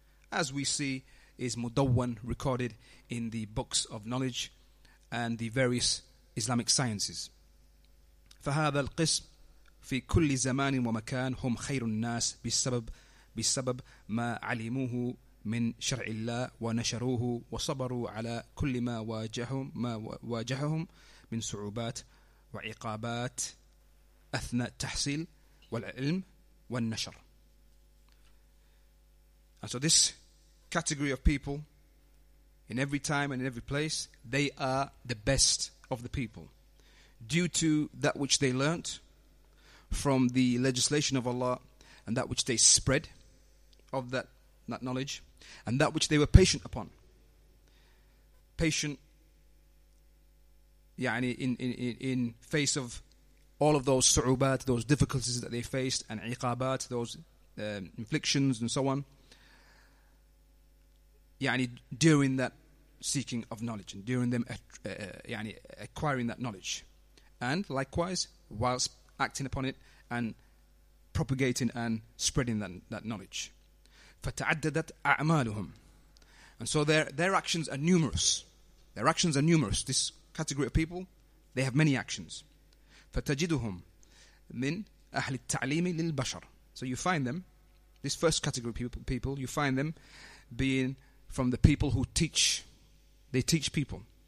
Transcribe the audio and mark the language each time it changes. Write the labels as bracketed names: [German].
[English] As we see, is mudawwan, recorded in the books of knowledge and the various Islamic sciences. [Arabic] فَهَذَا الْقِسْمِ في كل زمان ومكان هم خير الناس بسبب ما علموه من شرع الله ونشروه وصبروا على كل ما واجههم من صعوبات وعقابات أثناء تحصيل والعلم والنشر. [English] And so this category of people, in every time and in every place, they are the best of the people due to that which they learnt from the legislation of Allah, and that which they spread of that knowledge, and that which they were patient upon. Patient, yani, in face of all of those su'ubat, those difficulties that they faced, and iqabat, those inflictions and so on, yani, during that seeking of knowledge, and during them yani, acquiring that knowledge. And likewise, whilst acting upon it, and propagating and spreading that knowledge. [Arabic] فتعددت أعمالهم. [English] And so their actions are numerous. Their actions are numerous. This category of people, they have many actions. [Arabic] فتجدهم من أهل التعليم للبشر. [English] So you find them, this first category of people, you find them being from the people who teach. They teach people.